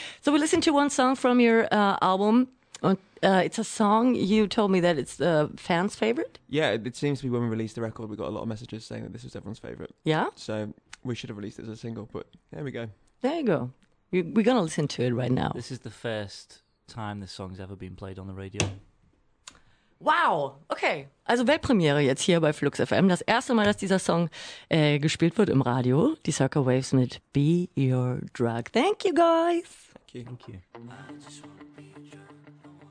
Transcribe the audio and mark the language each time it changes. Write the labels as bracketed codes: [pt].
[en] So we listened to one song from your album. It's a song you told me that it's the fans' favorite. Yeah, it seems to be when we released the record, we got a lot of messages saying that this is everyone's favorite. Yeah? So we should have released it as a single, but there we go. There you go. We're going to listen to it right now. This is the first time this song's ever been played on the radio. [de] Wow, okay. Also Weltpremiere jetzt hier bei Flux FM. Das erste Mal, dass dieser Song gespielt wird im Radio. Die Circa Waves mit Be Your Drug. [en] Thank you, guys. Thank you. I just want to be your drug.